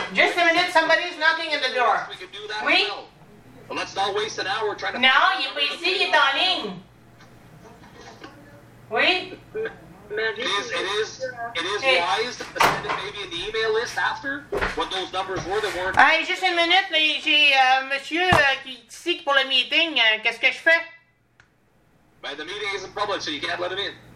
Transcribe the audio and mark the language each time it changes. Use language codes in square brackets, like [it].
[en] Just a minute, somebody's knocking at the door. We can do that as well. Well, let's not waste an hour trying to... No, you can see it, darling. [fr] Oui? [en] It is wise to send it maybe in the email list after what those numbers were that weren't... Hey, just a minute, [fr] j'ai monsieur qui sait pour le meeting, qu'est-ce que je fais? [en] But the meeting isn't public, so you can't let him in.